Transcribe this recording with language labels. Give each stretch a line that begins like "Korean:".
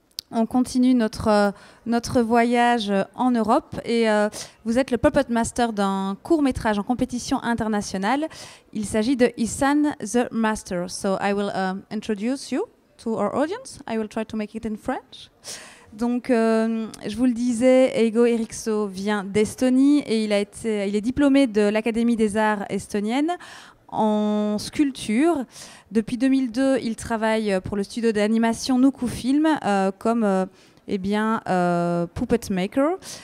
French: On continue notre voyage en Europe et vous êtes le puppet master d'un court-métrage en compétition internationale. Il s'agit de Isand the Master.
English: So I will introduce you to our audience. I will try to make it in French.
French: Donc, je vous le disais, 𝗙𝗢𝗟𝗟𝗢𝗪 Heeriksoo vient d'Estonie et il est diplômé de l'Académie des arts estonienne en sculpture. Depuis 2002, il travaille pour le studio d'animation Nuku Film comme puppet maker.